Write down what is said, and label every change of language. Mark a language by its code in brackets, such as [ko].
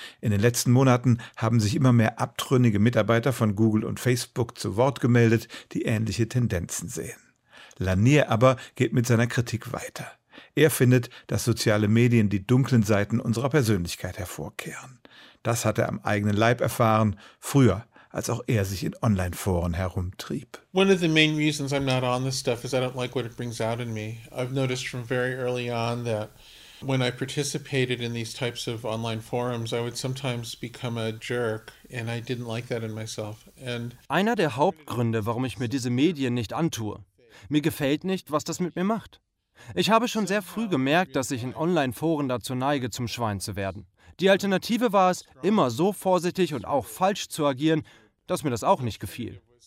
[de] In den letzten Monaten haben sich immer mehr abtrünnige Mitarbeiter von Google und Facebook zu Wort gemeldet, die ähnliche Tendenzen sehen. Lanier aber geht mit seiner Kritik weiter. Er findet, dass soziale Medien die dunklen Seiten unserer Persönlichkeit hervorkehren. Das hat er am eigenen Leib erfahren, früher, als auch er sich in Online-Foren herumtrieb. [en] One of the main reasons I'm not on this stuff is I don't like what it brings out in me. I've noticed from very early on that when I participated in these types of online forums, I would sometimes become a jerk, and I didn't like that in myself. And [de] einer der Hauptgründe, warum ich mir diese Medien nicht antue: Mir gefällt nicht, was das mit mir macht. Ich habe schon sehr früh gemerkt, dass ich in Online-Foren dazu neige, zum Schwein zu werden. Die Alternative war es, immer so vorsichtig und auch falsch zu agieren, dass mir das auch nicht gefiel.